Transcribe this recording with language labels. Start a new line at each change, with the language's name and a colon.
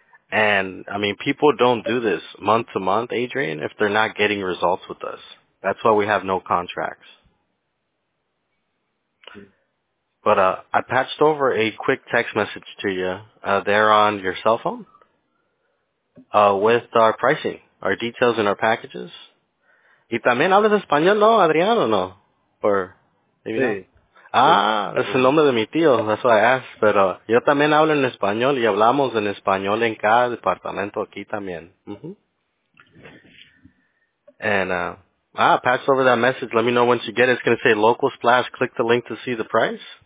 English: And people don't do this month to month, Adrian, if they're not getting results with us. That's why we have no contracts. But I patched over a quick text message to you there on your cell phone with our pricing, our details, and our packages.
Spanish: ¿Y también hablas español, no, Adrián, o no?
English: Or, maybe sí.
Spanish: Es el nombre de mi tío,
English: that's what I asked.
Spanish: Pero yo también hablo en español y hablamos en español en cada departamento aquí también.
English: And pass over that message. Let me know once you get it. It's going to say local splash. Click the link to see the price.